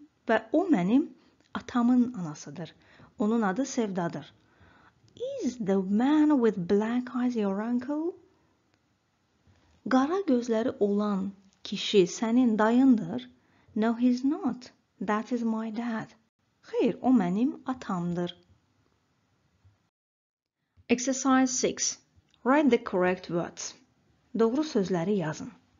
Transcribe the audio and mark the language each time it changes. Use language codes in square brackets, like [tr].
[az] Və o mənim atamın anasıdır. Onun adı Sevdadır. [en] Is the man with black eyes your uncle? [az] Qara gözləri olan kişi sənin dayındır? [en] No, he's not. That is my dad. [az] Xeyr, o mənim atamdır. [en] Exercise 6. Write the correct words. [az] Doğru sözləri yazın.